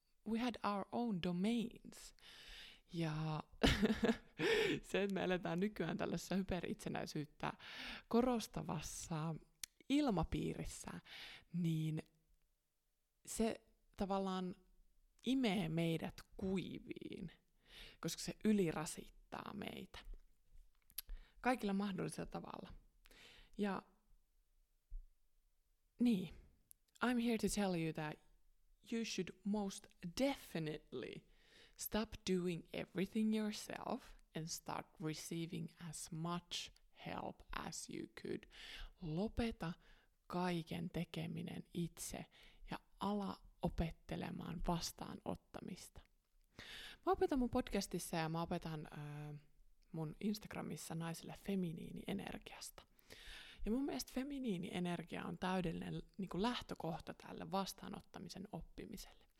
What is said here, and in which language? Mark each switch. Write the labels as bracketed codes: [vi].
[en] We had our own domains. [fi] Ja se, että me eletään nykyään tällaisessa hyperitsenäisyyttä korostavassa ilmapiirissä, niin se tavallaan imee meidät kuiviin, koska se ylirasittaa meitä kaikilla mahdollisella tavalla. [en] Ja niin, I'm here to tell you that you should most definitely stop doing everything yourself and start receiving as much help as you could. [fi] Lopeta kaiken tekeminen itse ja ala opettelemaan vastaanottamista. Mä opetan mun podcastissa ja mä opetan mun Instagramissa naisille feminiinienergiasta. Ja mun mielestä feminiinienergia on täydellinen niin kuin lähtökohta tälle vastaanottamisen oppimiselle.